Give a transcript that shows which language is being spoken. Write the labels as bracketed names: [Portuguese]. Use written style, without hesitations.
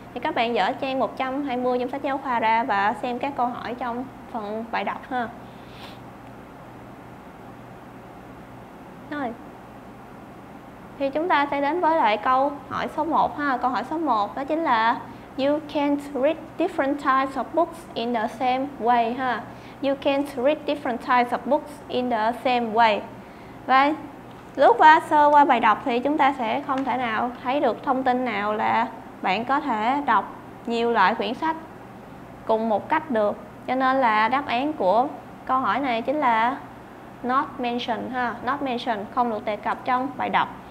[Vietnamese] Thì các bạn dở trang 120 trong sách giáo khoa ra và xem các câu hỏi trong phần bài đọc ha. Rồi. Thì chúng ta sẽ đến với lại câu hỏi số 1 ha, câu hỏi số 1 đó chính là [English] you can't read different types of books in the same way [Vietnamese] ha. [English] You can't read different types of books in the same way. [Vietnamese] Và lướt qua sơ qua bài đọc thì chúng ta sẽ không thể nào thấy được thông tin nào là bạn có thể đọc nhiều loại quyển sách cùng một cách được. Cho nên là đáp án của câu hỏi này chính là [English] not mentioned [Vietnamese] ha, [English] not mentioned, [Vietnamese] không được đề cập trong bài đọc.